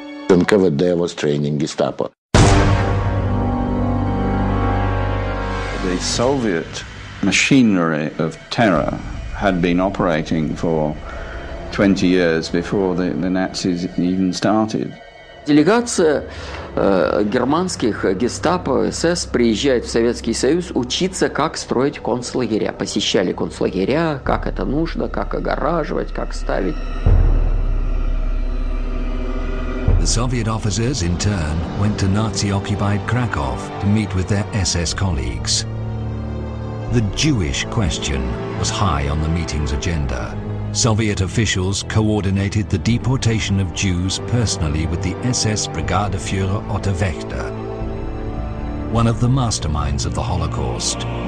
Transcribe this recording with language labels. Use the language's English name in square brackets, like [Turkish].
[English] Uncovered there was training Gestapo. The Soviet machinery of terror had been operating for 20 years before the Nazis even started. [Russian] Делегация германских Гестапо СС приезжает в Советский Союз учиться, как строить концлагеря. Посещали концлагеря, как это нужно, как огораживать, как ставить. [English] The Soviet officers, in turn, went to Nazi-occupied Krakow to meet with their SS colleagues. The Jewish question was high on the meeting's agenda. Soviet officials coordinated the deportation of Jews personally with the SS Brigadeführer Otto Wächter, one of the masterminds of the Holocaust.